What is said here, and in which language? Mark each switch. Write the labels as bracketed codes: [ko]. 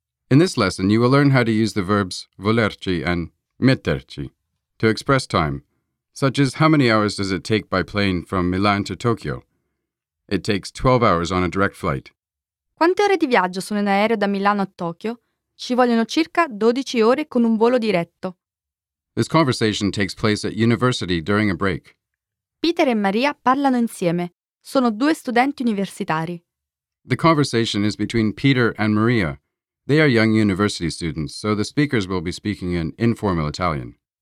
[en] In this lesson, you will learn how to use the verbs volerci and metterci to express time, such as how many hours does it take by plane from Milan to Tokyo? It takes 12 hours on a direct flight. [it] Quante ore di viaggio sono in aereo da Milano a Tokyo? Ci vogliono circa 12 ore con un volo diretto. [en] This conversation takes place at university during a break. [it] Peter e Maria parlano insieme. Sono due studenti universitari. [en] The conversation is between Peter and Maria. They are young university students, so the speakers will be speaking in informal Italian.